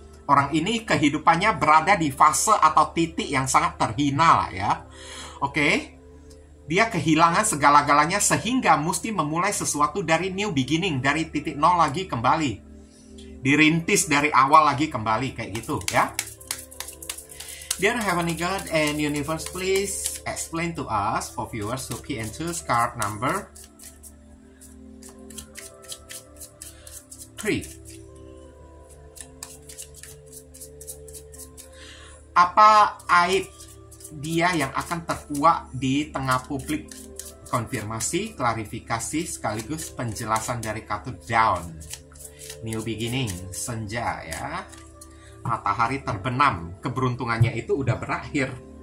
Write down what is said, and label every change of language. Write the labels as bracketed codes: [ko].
[id] Orang ini kehidupannya berada di fase atau titik yang sangat terhina lah ya. Oke? Dia kehilangan segala-galanya sehingga mesti memulai sesuatu dari new beginning. Dari titik nol lagi kembali. Dirintis dari awal lagi kembali. Kayak gitu ya. [en] Dear Heavenly God and Universe, please explain to us for viewers who key and choose card number 3. [id] Apa aib dia yang akan terkuak di tengah publik? Konfirmasi, klarifikasi, sekaligus penjelasan dari kartu Dawn. New beginning, senja ya. Matahari terbenam, keberuntungannya itu udah berakhir.